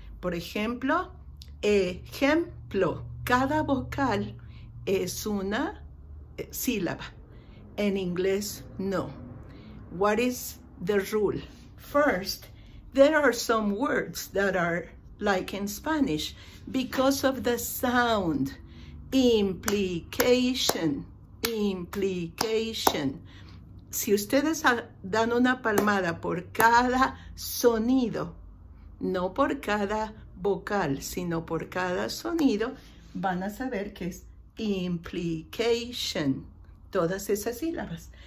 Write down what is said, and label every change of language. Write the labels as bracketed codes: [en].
[es] Por ejemplo, ejemplo, cada vocal es una sílaba. En inglés, no. [en] What is the rule? First, there are some words that are like in Spanish because of the sound. Implication, implication. [es] Si ustedes dan una palmada por cada sonido, no por cada vocal, sino por cada sonido, van a saber que es implication, todas esas sílabas.